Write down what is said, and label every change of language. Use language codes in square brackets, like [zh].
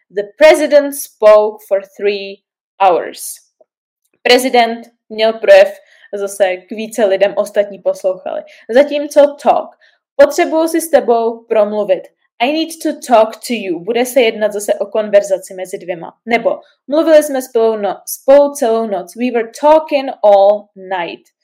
[en] The president spoke for 3 hours. [cs] Prezident měl projev zase k více lidem, ostatní poslouchali. Zatímco talk. Potřebuji si s tebou promluvit. [en] I need to talk to you. [cs] Bude se jednat zase o konverzaci mezi dvěma. Nebo mluvili jsme spolu celou noc. [en] We were talking all night.